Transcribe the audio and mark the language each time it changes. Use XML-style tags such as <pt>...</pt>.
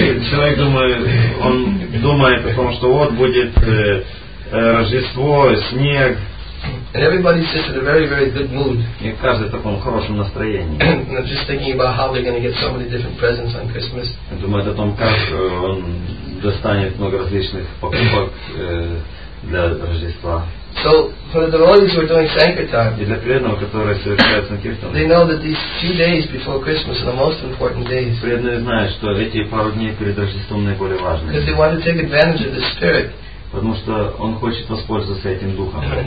<ru>Человек думает о том, что вот будет Рождество, снег.</ru> <en>And everybody's just in a very, very good mood.</en> <ru>И каждый в таком хорошем настроении.</ru> <en>They're just thinking about how they're going to get so many different presents on Christmas.</en> <ru>Думает о том, как он достанет много различных покупок для Рождества.</ru> <en>So for the devotees who are doing sankirtan,</en> <ru>и для преданного, который совершает санкиртан,</ru> <en>they know that these few days before Christmas are the most important days.</en> <ru>Преданные знают, что эти пару дней перед Рождеством наиболее важны.</ru> <en>Because they want to take advantage of the spirit.</en> <ru>Потому что он хочет воспользоваться этим духом.</ru>